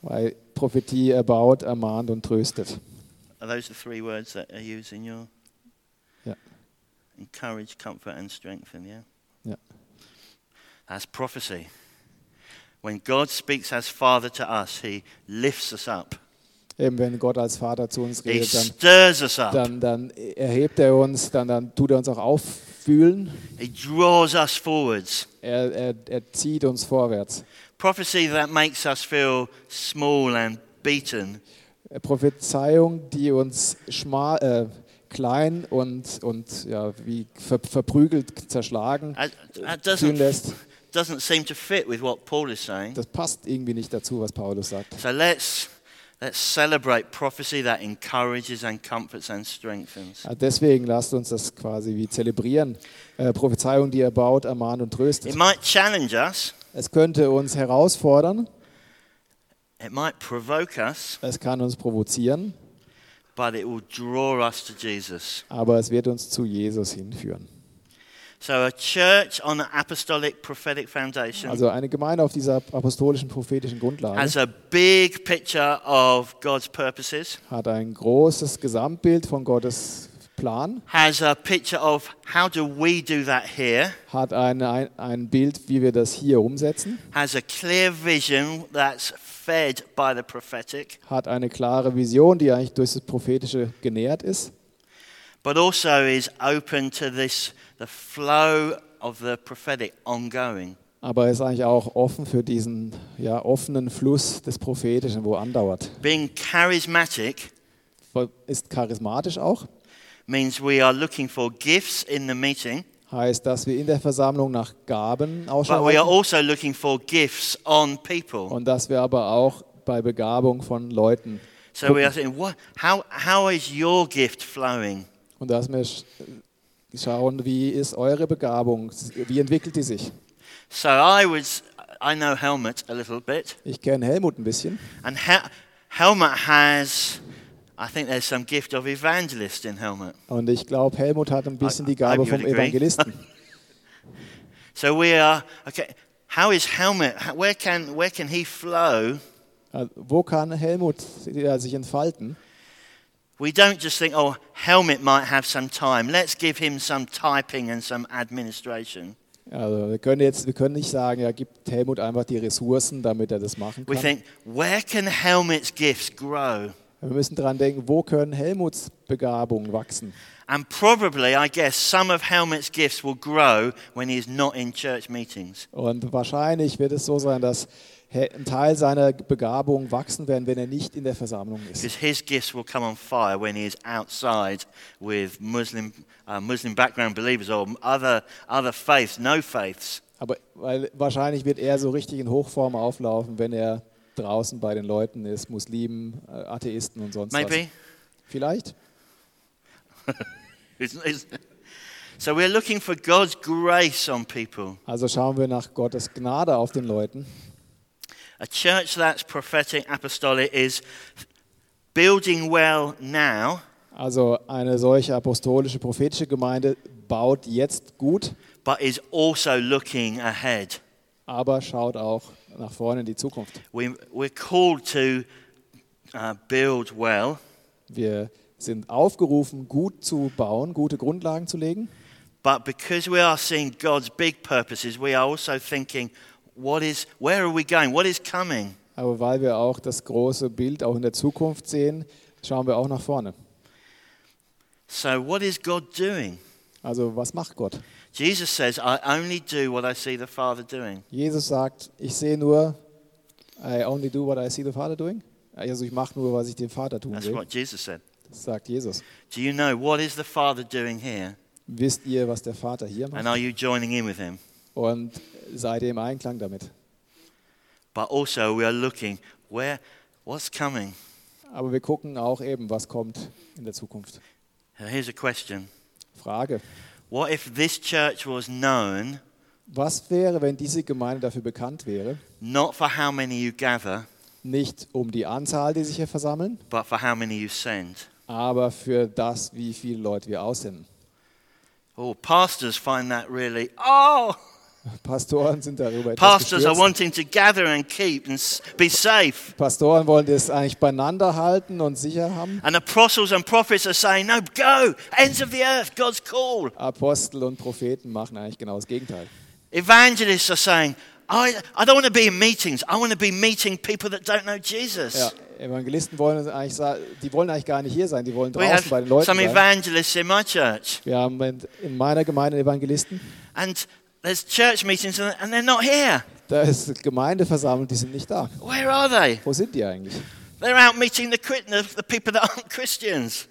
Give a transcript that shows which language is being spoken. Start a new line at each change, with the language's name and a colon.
German: Weil Prophetie erbaut, ermahnt und tröstet.
English: Are those the three words that are used in your? Yeah. Encourage, comfort and strengthen, yeah? Yeah. That's prophecy. When God speaks as Father to us, he lifts us up.
German: Eben wenn Gott als Vater zu uns redet,
English: he stirs us up.
German: Dann erhebt er uns, dann tut er uns auch auffühlen.
English: He draws us forwards.
German: Er zieht uns vorwärts.
English: Prophecy that makes us feel small and beaten.
German: Prophezeiung, die uns klein und ja, wie verprügelt, zerschlagen fühlen lässt.
English: Doesn't seem to fit with what Paul is saying.
German: Das passt irgendwie nicht dazu, was Paulus sagt.
English: So let's celebrate prophecy that encourages and comforts and strengthens.
German: Deswegen lasst uns das quasi wie zelebrieren. Prophezeiung, die erbaut, ermahnt und tröstet.
English: It might challenge us.
German: Es könnte uns herausfordern.
English: It might provoke us.
German: Es kann uns provozieren.
English: But it will draw us to Jesus.
German: Aber es wird uns zu Jesus hinführen.
English: So a church on the apostolic prophetic foundation.
German: Also eine Gemeinde auf dieser apostolischen prophetischen Grundlage.
English: Has a big picture of God's purposes.
German: Hat ein großes Gesamtbild von Gottes Plan.
English: Has a picture of how do we do that here?
German: Hat ein Bild, wie wir das hier umsetzen.
English: Has a clear vision that's fed by the prophetic.
German: Hat eine klare Vision, die eigentlich durch das prophetische genährt ist.
English: But also is open to this the flow of the prophetic ongoing.
German: Aber ist eigentlich auch offen für diesen ja offenen Fluss des prophetischen, wo andauert.
English: Being charismatic
German: ist charismatisch auch.
English: Means we are looking for gifts in the meeting.
German: Heißt, dass wir in der Versammlung nach Gaben ausschauen.
English: But we are also looking for gifts on people.
German: Und dass wir aber auch bei Begabung von Leuten.
English: So we are saying, how is your gift flowing?
German: Und dass wir schauen, wie ist eure Begabung? Wie entwickelt die sich?
English: So I know Helmut a little bit.
German: Ich kenne Helmut ein bisschen.
English: And Helmut has. I think there's some gift of evangelist in Helmut.
German: Und ich glaube, Helmut hat ein bisschen die Gabe vom Evangelisten.
English: So we are okay. How is Helmut? Where can he flow?
German: Wo kann Helmut sich entfalten?
English: We don't just think, oh, Helmut might have some time. Let's give him some typing and some administration.
German: Also wir können nicht sagen, ja, gibt Helmut einfach die Ressourcen, damit er das machen kann.
English: We think, where can Helmut's gifts grow?
German: Wir müssen daran denken, wo können Helmuts Begabungen wachsen?
English: And probably, I guess, some of Helmut's gifts will grow when he's not in church meetings.
German: Und wahrscheinlich wird es so sein, dass ein Teil seiner Begabung wachsen werden, wenn er nicht in der Versammlung ist.
English: Because his gifts will come on fire when he is outside with Muslim background believers or other faiths, no faiths.
German: Aber weil wahrscheinlich wird er so richtig in Hochform auflaufen, wenn er draußen bei den Leuten ist, Muslimen, Atheisten und sonst
English: maybe.
German: Was. Vielleicht.
English: So we're looking for God's grace on people.
German: Also schauen wir nach Gottes Gnade auf den Leuten.
English: A church that's prophetic apostolic is building well now.
German: Also eine solche apostolische prophetische Gemeinde baut jetzt gut,
English: but is also looking ahead.
German: Aber schaut auch nach vorne in die Zukunft.
English: We're called to build well.
German: Wir sind aufgerufen, gut zu bauen, gute Grundlagen zu legen.
English: But because we are seeing God's big purposes, we are also thinking, where are we going? What is coming?
German: Aber weil wir auch das große Bild auch in der Zukunft sehen, schauen wir auch nach vorne.
English: So what is God doing?
German: Also was macht Gott?
English: Jesus says, I only do what I see the Father doing.
German: Jesus sagt, ich sehe nur,
English: I only do what I see the Father doing.
German: Also ich mache nur, was ich dem Vater tun will.
English: That's what Jesus said.
German: Das sagt Jesus.
English: Do you know what is the Father doing here?
German: Wisst ihr, was der Vater hier macht?
English: And are you joining in with him?
German: Und seid ihr im Einklang damit?
English: But also we are looking, what's coming?
German: Aber wir gucken auch eben, was kommt in der Zukunft.
English: Here's a question.
German: Frage.
English: What if this church was known?
German: Was wäre, wenn diese Gemeinde dafür bekannt wäre?
English: Not for how many you gather,
German: nicht um die Anzahl, die sich hier versammeln,
English: but for how many you send.
German: Aber für das, wie viele Leute wir aussenden.
English: Oh, pastors find that really. Oh!
German: Pastoren sind darüber etwas gestürzt.
English: Pastors are wanting to gather and keep and be safe.
German: Pastoren wollen das eigentlich beieinander halten und sicher haben.
English: And apostles and prophets are saying, no, go, ends of the earth, God's call.
German: Apostel und Propheten machen eigentlich genau das Gegenteil.
English: Evangelists are saying, I don't want to be in meetings. I want to be meeting people that don't know Jesus.
German: Ja, Evangelisten wollen eigentlich, die wollen eigentlich gar nicht hier sein. Die wollen draußen bei den Leuten sein.
English: We have some evangelists in my church.
German: Wir haben in meiner Gemeinde Evangelisten.
English: And there's church meetings and they're not here.
German: Da ist Gemeindeversammlung, die sind nicht da.
English: Where are they?
German: Wo sind die eigentlich?
English: They're out meeting the people that aren't Christians.